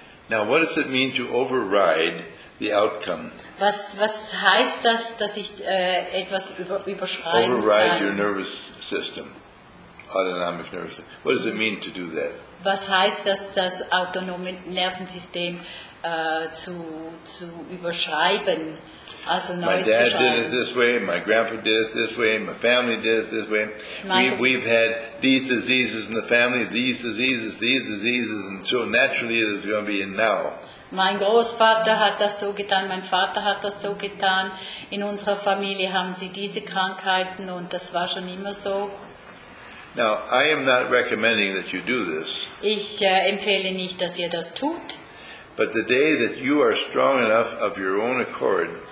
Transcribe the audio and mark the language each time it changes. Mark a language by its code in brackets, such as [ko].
[en] Now, what does it mean to override the outcome? [de] Was heißt das, dass ich etwas überschreiben kann? [en] Override your nervous system, autonomic nervous system. What does it mean to do that? [de] Was heißt das, das autonome Nervensystem zu überschreiben, also neu zu schreiben? [en] My dad did it this way, my grandpa did it this way, my family did it this way. We've had these diseases in the family, these diseases, and so naturally it's going to be in now. [de] Mein Großvater hat das so getan, mein Vater hat das so getan. In unserer Familie haben sie diese Krankheiten und das war schon immer so. [en] Now, I am not recommending that you do this. [de] Ich empfehle nicht, dass ihr das tut. [en] But the day that you are strong enough of your own accord.